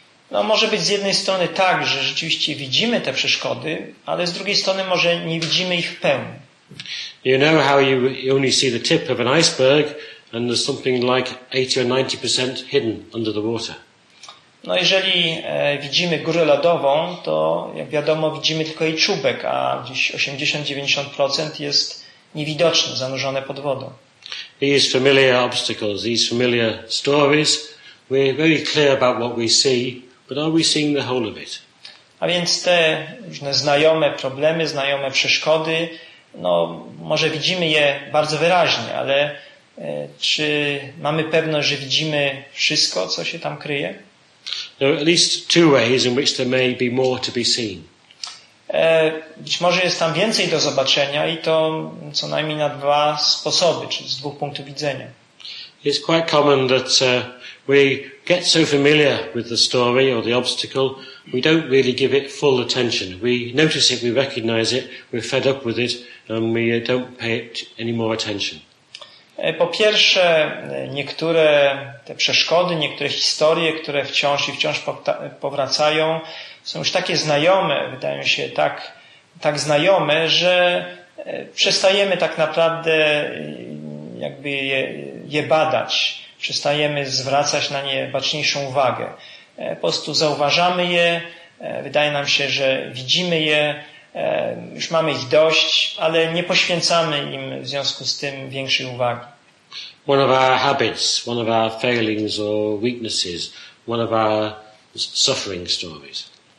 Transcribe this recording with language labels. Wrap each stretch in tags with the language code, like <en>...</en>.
<pl>No, może być z jednej strony tak, że rzeczywiście widzimy te przeszkody, ale z drugiej strony może nie widzimy ich w pełni.</pl> <en>You know how you only see the tip of an iceberg and there's something like 80 or 90% hidden under the water.</en> <pl>No jeżeli widzimy górę lodową, to jak wiadomo widzimy tylko jej czubek, a gdzieś 80-90% jest niewidoczne, zanurzone pod wodą.</pl> <en>These familiar obstacles, these familiar stories, we're very clear about what we see, but are we seeing the whole of it?</en> <pl>A więc te różne znajome problemy, znajome przeszkody, no może widzimy je bardzo wyraźnie, ale czy mamy pewność, że widzimy wszystko, co się tam kryje?</pl> <en>There are at least two ways in which there may be more to be seen.</en> <pl>Być może jest tam więcej do zobaczenia i to co najmniej na dwa sposoby, czy z dwóch punktów widzenia.</pl> <en>It's quite common that we get so familiar with the story or the obstacle, we don't really give it full attention. We notice it, we recognize it, we're fed up with it and we don't pay it any more attention.</en> <pl>Po pierwsze, niektóre te przeszkody, niektóre historie, które wciąż powracają, są już takie znajome, wydają się tak znajome, że przestajemy tak naprawdę jakby je badać. Przestajemy zwracać na nie baczniejszą uwagę. Po prostu zauważamy je, wydaje nam się, że widzimy je, już mamy ich dość, ale nie poświęcamy im w związku z tym większej uwagi.</pl> <en>One of our habits, one of our failings or weaknesses, one of our suffering stories.</en>